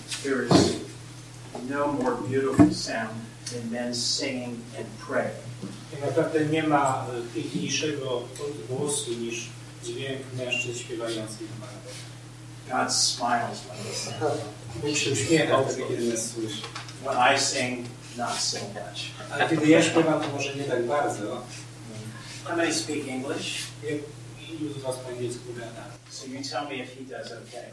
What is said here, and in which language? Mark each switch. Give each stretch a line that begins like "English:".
English: There is no more beautiful sound than men singing and praying.
Polish: Naprawdę nie ma piękniejszego głosu niż dźwięk mężczyzn śpiewających.
English: God smiles when we sing.
Polish: Bóg się uśmiecha, kiedy nas słyszy.
English: When I sing, not so much.
Polish: A kiedy ja śpiewam, to może nie tak bardzo.
English: How many speak English?
Polish: Ilu z was po angielsku gada?
English: So you tell me if he does okay.